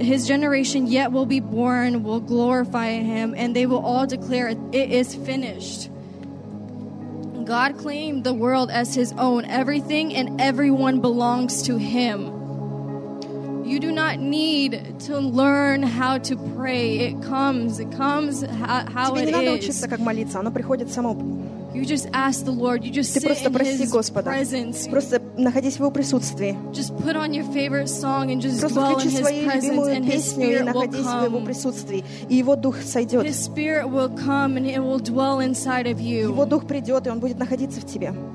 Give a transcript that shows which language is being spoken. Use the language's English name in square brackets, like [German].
[English] His generation yet will be born, will glorify him, and they will all declare it is finished. God claimed the world as his own. Everything and everyone belongs to him. You do not need to learn how to pray. It comes how it is. [Russian] Тебе не надо учиться, как молиться. Оно приходит само. [English] You just ask the Lord. You just sit in his [Russian] Господа. [English] Presence. [Russian] Просто находись в его присутствии. [English] Just put on your favorite song and just [Russian] просто [English] dwell in his presence and his spirit will come. [Russian] В его присутствии, и его дух сойдет. [English] His spirit will come and it will dwell inside of you. [Russian] Его дух придет, и он будет находиться в тебе.